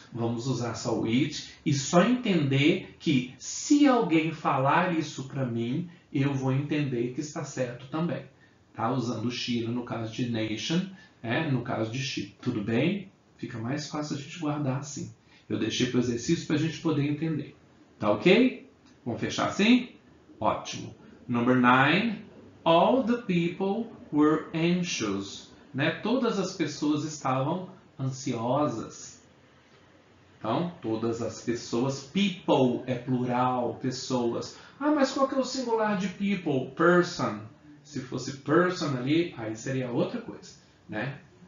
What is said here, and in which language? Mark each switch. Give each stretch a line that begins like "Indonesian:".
Portuguese: Vamos usar só o it e só entender que se alguém falar isso para mim, eu vou entender que está certo também, tá? Usando she no caso de nation, é, no caso de she. Tudo bem? Fica mais fácil a gente guardar assim. Eu deixei para o exercício para a gente poder entender. Tá ok? Vamos fechar assim? Ótimo.
English: Number 9. All the people were anxious, né?
Portuguese: Todas as pessoas estavam ansiosas. Então, todas as pessoas, people é plural, pessoas. Ah, mas qual que é o singular de people? Person. Se fosse person ali, aí seria outra coisa, né?